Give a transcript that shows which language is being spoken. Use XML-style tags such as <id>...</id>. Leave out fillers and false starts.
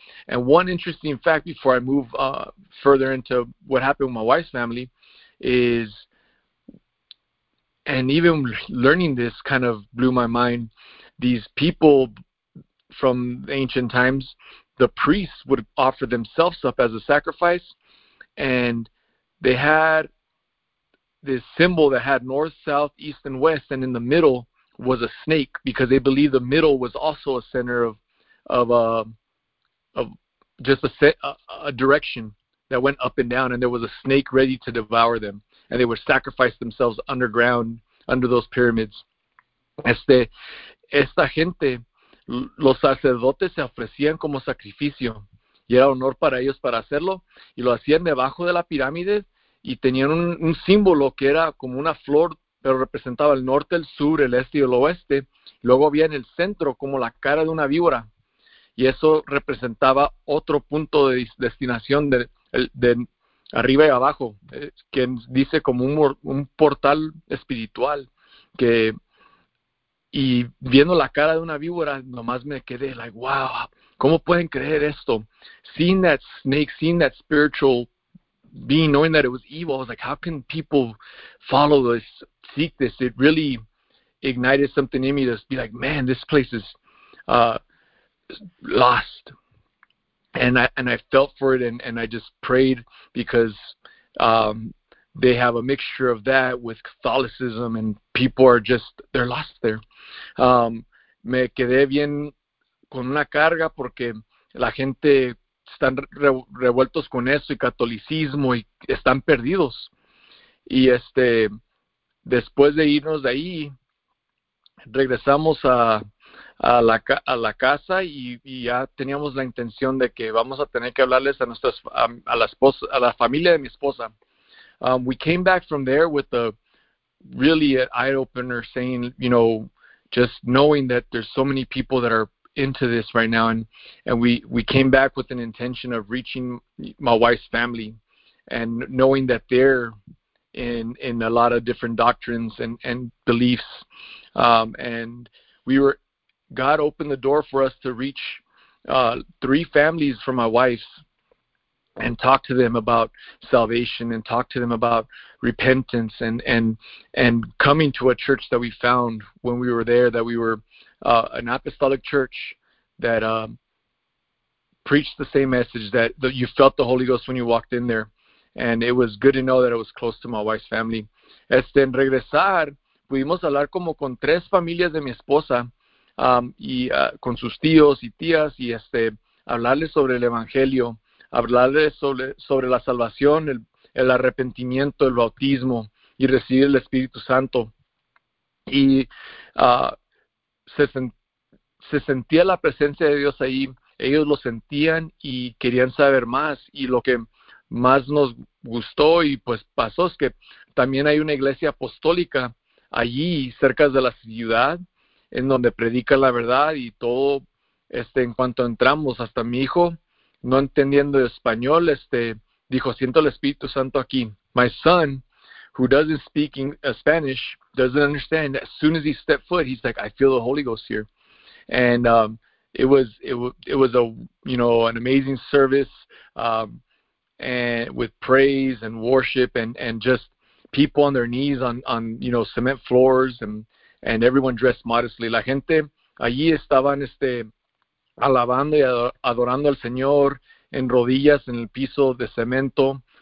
<en>And one interesting fact before I move further into what happened with my wife's family is, and even learning this kind of blew my mind, these people from ancient times, the priests would offer themselves up as a sacrifice, and they had this symbol that had north, south, east, and west, and in the middle was a snake because they believed the middle was also a center of just a direction that went up and down, and there was a snake ready to devour them, and they would sacrifice themselves underground under those pyramids.</en> <es>Esta gente, los sacerdotes se ofrecían como sacrificio y era honor para ellos para hacerlo, y lo hacían debajo de la pirámide y tenían un símbolo que era como una flor, pero representaba el norte, el sur, el este y el oeste. Luego había en el centro como la cara de una víbora, y eso representaba otro punto de destinación de arriba y abajo, que dice como un portal espiritual. Y viendo la cara de una víbora, nomás me quedé</es> <en>like, wow,</en> <es>¿cómo pueden creer esto?</es> <en>Seeing that snake, seeing that spiritual being, knowing that it was evil, I was like, how can people follow this, seek this? It really ignited something in me to be like, man, this place is lost. And I felt for it, and I just prayed because they have a mixture of that with Catholicism, and people are just, they're lost there.</en> <es>Me quedé bien con una carga porque la gente están revueltos con eso y catolicismo y están perdidos. Y después de irnos de ahí, regresamos a la casa y ya teníamos la intención de que vamos a tener que hablarles a nuestras a la esposa, a la familia de mi esposa.</es> <en>We came back from there with a really an eye opener, saying, you know, just knowing that there's so many people that are into this right now, and we came back with an intention of reaching my wife's family, and knowing that they're in a lot of different doctrines and beliefs, and we were God opened the door for us to reach three families for my wife's, and talk to them about salvation, and talk to them about repentance, and coming to a church that we found when we were there, that we were an apostolic church that preached the same message, that you felt the Holy Ghost when you walked in there. And it was good to know that it was close to my wife's family.</en> <es>En regresar, pudimos hablar como con tres familias de mi esposa, y con sus tíos y tías, y hablarles sobre el evangelio, hablarles sobre la salvación, el arrepentimiento, el bautismo y recibir el Espíritu Santo. Y se sentía la presencia de Dios ahí. Ellos lo sentían y querían saber más. Y lo que más nos gustó y pues pasó es que también hay una iglesia apostólica allí cerca de la ciudad, en donde predica la verdad y todo. En cuanto entramos, hasta mi hijo, no entendiendo español, dijo: siento el Espíritu Santo aquí.</es> <en>My son, who doesn't speak Spanish, doesn't understand. As soon as he stepped foot, he's like, I feel the Holy Ghost here. And it was a, you know, an amazing service, and with praise and worship, and just people on their knees on you know, cement floors, and everyone dressed modestly.</en> <es>La gente allí estaban alabando y adorando al Señor en rodillas en el piso de cemento.</es>